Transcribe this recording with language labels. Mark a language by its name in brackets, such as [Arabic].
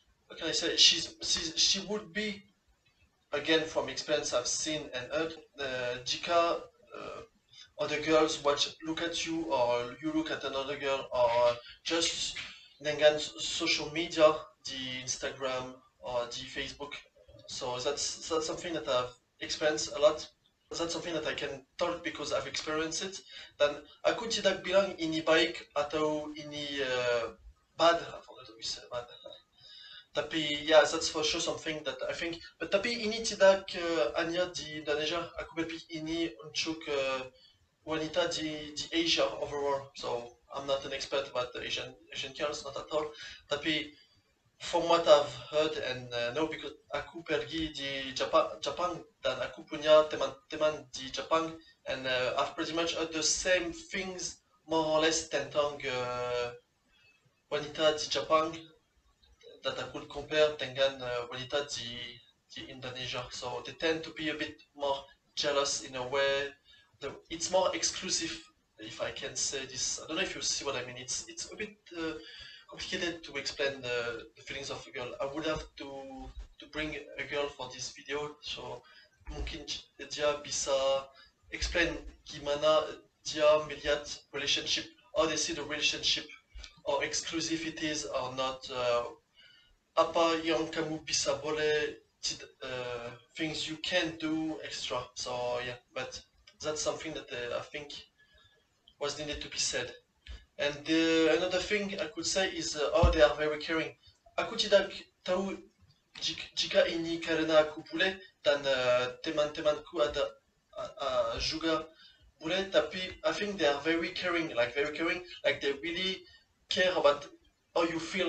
[English] okay, so she would be, again, from experience I've seen and heard, [Indonesian] jika [English] other girls look at you, or you look at another girl, or just [Indonesian] dengan [English] social media, [Indonesian] di Instagram [English] or [Indonesian] di Facebook. [English] So that's something that I've experienced a lot. That's something that I can talk because I've experienced it. [Indonesian] Then aku tidak bilang ini baik atau ini [English] bad. I forgot how you say bad. [Indonesian] Tapi [English] yeah, that's for sure something that I think. But [Indonesian] tapi ini tidak hanya di Indonesia. Aku berpikir ini untuk wanita di Asia [English] overall. So I'm not an expert about the Asian girls, not at all. [Indonesian] Tapi [English] from what I've heard and know, because [Indonesian] aku pergi di [English] Japan [Indonesian] dan aku punya teman-teman di [English] Japan, and I've pretty much heard the same things more or less [Indonesian] tentang wanita di [English] Japan that I could compare [Indonesian] dengan wanita di Indonesia. [English] So they tend to be a bit more jealous in a way. It's more exclusive, if I can say this. I don't know if you see what I mean. It's a bit complicated to explain the feelings of a girl. I would have to bring a girl for this video, so [Indonesian] mungkin dia bisa [English] explain [Indonesian] gimana dia melihat [English] relationship, how they see the relationship, or exclusive it is or not. [Indonesian] Apa yang kamu bisa boleh, [English] things you can do extra. So yeah, but that's something that I think was needed to be said. And another thing I could say is oh, they are very caring. [Indonesian] Aku tidak tahu jika ini karena aku bule dan teman-temanku ada juga bule, tapi [English] I think they are very caring, like very caring, like they really care about how you feel.